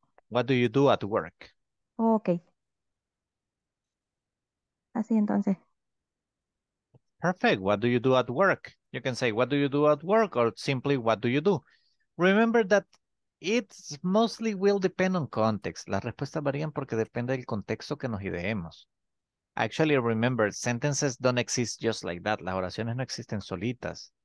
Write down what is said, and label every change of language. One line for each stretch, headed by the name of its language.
English: What do you do at work? Okay.
Spanish: Así entonces.
English: Perfect. What do you do at work? You can say, what do you do at work or simply, what do you do? Remember that it mostly will depend on context.
Spanish: Las respuestas varían porque depende del contexto que nos ideemos.
English: Actually, remember, sentences don't exist just like that.
Spanish: Las oraciones no existen solitas.